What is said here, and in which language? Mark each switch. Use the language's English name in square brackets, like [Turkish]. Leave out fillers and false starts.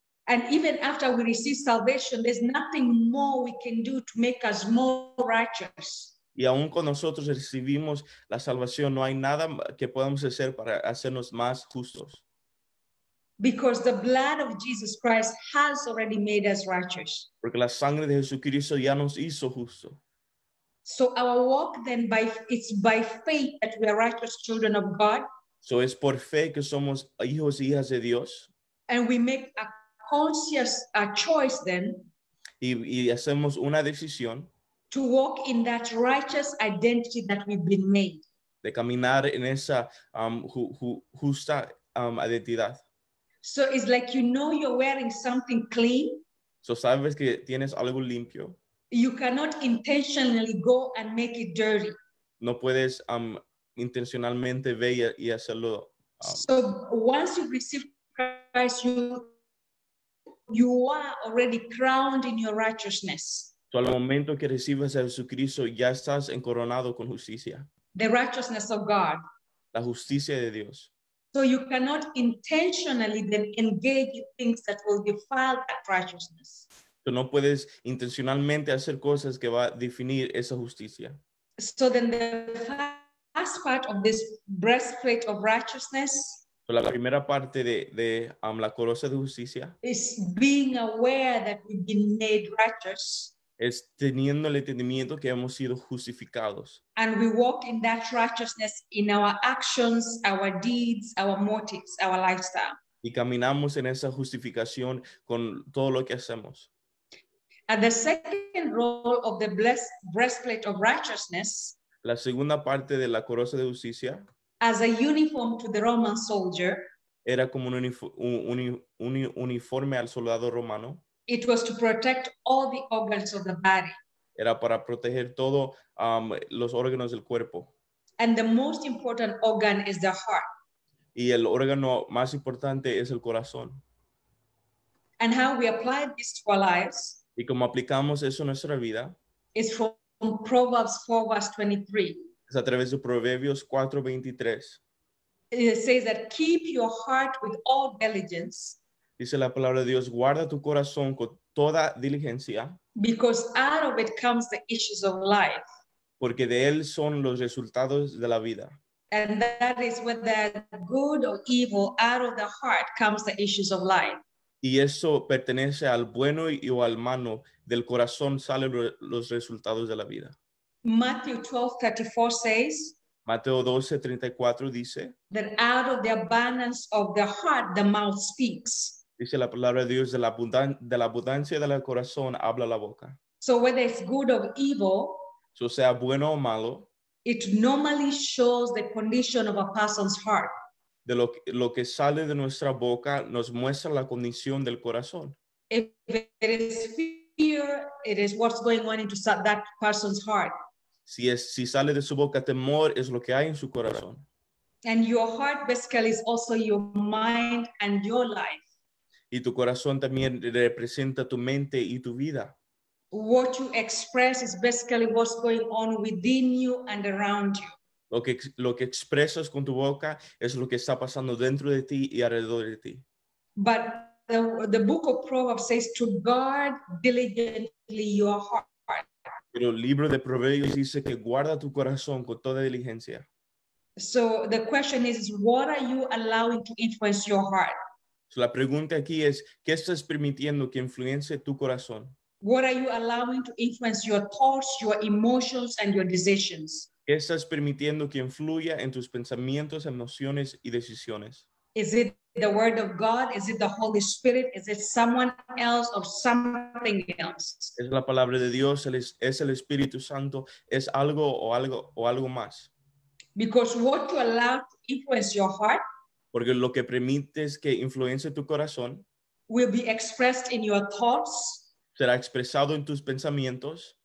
[English] And even after we receive salvation, there's nothing more we can do to make us more righteous. [Spanish] Y aun cuando nosotros recibimos la salvación, no hay nada que podamos hacer para hacernos más justos. [English] Because the blood of Jesus Christ has already made us righteous. [Spanish] Porque la sangre de Jesucristo ya nos hizo justo. [English] So our walk then by it's by faith that we are righteous children of God. [Spanish] So es por fe que somos hijos y hijas de Dios. [English] And we make a conscious a choice then. [Spanish] Y hacemos una decisión. [English] To walk in that righteous identity that we've been made. [Spanish] De caminar en esa justa identidad. [English] So it's like you know you're wearing something clean. [Spanish] So sabes que tienes algo limpio. [English] You cannot intentionally go and make it dirty. [Spanish] No puedes intencionalmente ve y hacerlo. [English] So once you receive Christ, you are already crowned in your righteousness. [Spanish] So al momento que recibes a Jesucristo, ya estás encoronado con justicia. [English] The righteousness of God. [Spanish] La justicia de Dios. [English] So you cannot intentionally then engage in things that will defile that righteousness. [Spanish] Tú no puedes intencionalmente hacer cosas que va a definir esa justicia. [English] So then the first part of this breastplate of righteousness. [Spanish] So la primera parte de la coraza de justicia. [English] Is being aware that we've been made righteous. [Spanish] Es teniendo el entendimiento que hemos sido justificados. [English] And we walk in that righteousness in our actions, our deeds, our motives, our lifestyle. [Spanish] Y caminamos en esa justificación con todo lo que hacemos. [English] And the second role of the breastplate of righteousness. [Spanish] La segunda parte de la coraza de justicia. [English] As a uniform to the Roman soldier. [Spanish] Era como un uniforme al soldado romano. [English] It was to protect all the organs of the body. [Spanish] Era para proteger todo los órganos del cuerpo. [English] And the most important organ is the heart. [Spanish] Y el órgano más importante es el corazón. [English] And how we apply this to our lives. [Spanish] Y cómo aplicamos eso en nuestra vida. [English] Is from Proverbs 4 verse 23. [Spanish] Es a través de Proverbios 4, 23. [English] It says that keep your heart with all diligence. [Spanish] Dice la palabra de Dios, guarda tu corazón con toda diligencia. [English] Because out of it comes the issues of life. [Spanish] Porque de él son los resultados de la vida. [English] And that is whether good or evil, out of the heart comes the issues of life. [Spanish] Y eso pertenece al bueno y o al malo, del corazón salen los resultados de la vida. [English] Matthew 12:34 says. [Spanish] Mateo 12:34 dice. [English] That out of the abundance of the heart, the mouth speaks. [Spanish] Dice la palabra de Dios, de la abundancia del corazón habla la boca. [English] So whether it's good or evil. [Spanish] So sea bueno o malo. [English] It normally shows the condition of a person's heart. [Spanish] De lo que sale de nuestra boca nos muestra la condición del corazón. [English] If it is fear, it is what's going on into that person's heart. [Spanish] Si sale de su boca temor, es lo que hay en su corazón. [English] And your heart basically is also your mind and your life. [Spanish] Y tu corazón también representa tu mente y tu vida. [English] What you express is basically what's going on within you and around you. [Spanish] Lo que expresas con tu boca es lo que está pasando dentro de ti y alrededor de ti. [English] But the book of Proverbs says to guard diligently your heart. [Spanish] Pero el libro de Proverbios dice que guarda tu corazón con toda diligencia. [English] So the question is, what are you allowing to influence your heart? [Spanish] So la pregunta aquí es, ¿qué estás permitiendo que influencie tu corazón? [English] What are you allowing to influence your thoughts, your emotions, and your decisions? [Spanish] ¿Qué estás permitiendo que influya en tus pensamientos, emociones y decisiones? [English] Is it the word of God? Is it the Holy Spirit? Is it someone else or something else? [Spanish] ¿Es la palabra de Dios? ¿Es el Espíritu Santo? ¿Es algo o algo o algo más? [English] Because what you allow to influence your heart, [Spanish] porque lo que permites que influencie tu corazón, [English] will be expressed in your thoughts, [Spanish] será expresado en tus pensamientos,